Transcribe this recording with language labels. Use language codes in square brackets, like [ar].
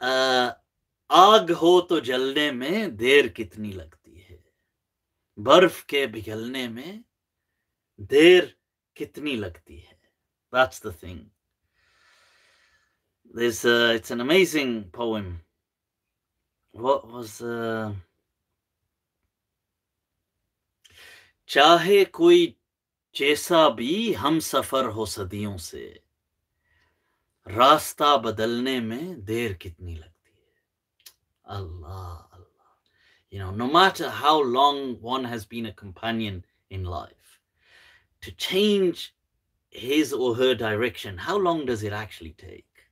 [hi] Aag ho to jalne mein der kitni lagti hai. Barf ke bighalne mein देर कितनी लगती है? [en] That's the thing. There's it's an amazing poem. What was [hi] चाहे कोई जैसा भी हम सफर हो सदियों से, रास्ता बदलने में देर कितनी लगती है? अल्लाह अल्लाह. [en] You know, no matter how long one has been a companion in life, to change his or her direction, how long does it actually take?